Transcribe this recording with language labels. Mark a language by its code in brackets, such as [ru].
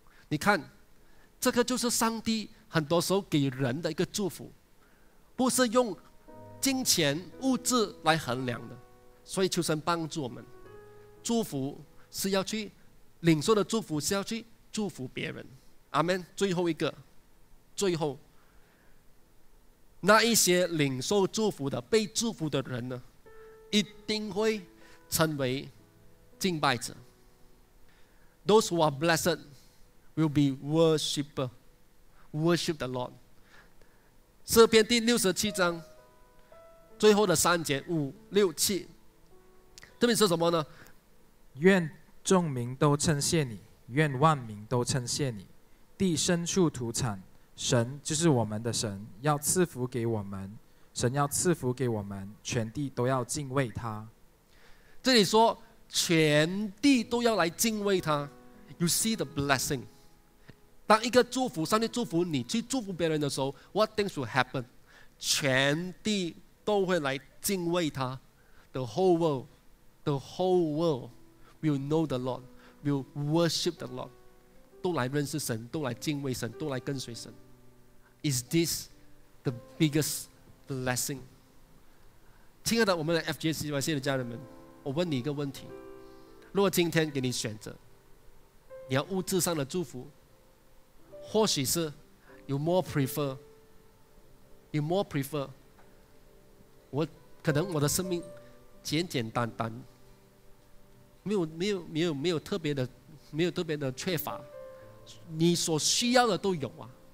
[zh] 你看，这个就是上帝很多时候给人的一个祝福，不是用金钱物质来衡量的。所以求神帮助我们，祝福是要去领受的祝福是要去祝福别人。阿们。最后一个，最后那一些领受祝福的被祝福的人呢，一定会成为敬拜者。 [en] Those who are blessed will be worshippers, worship the Lord. [zh] 诗篇第六十七章最后的三节五六七，这边是什么呢？愿众民都称谢你，愿万民都称谢你，地深处土产，神就是我们的神，要赐福给我们，神要赐福给我们，全地都要敬畏他。这里说全地都要来敬畏他。 [en] You see the blessing. [zh] 当一个祝福，上帝祝福你去祝福别人的时候， [en] What things will happen? [zh] 全地都会来敬畏他。 [en] The whole world will know the Lord, will worship the Lord. [zh] 都来认识神，都来敬畏神，都来跟随神。 [en] Is this the biggest blessing? [zh] 亲爱的，我们的 FGCYC 的家人们，我问你一个问题，如果今天给你选择，你要物质上的祝福，或许是 [en] you more prefer [zh] 我可能我的生命简简单单，没有特别的缺乏，你所需要的都有啊。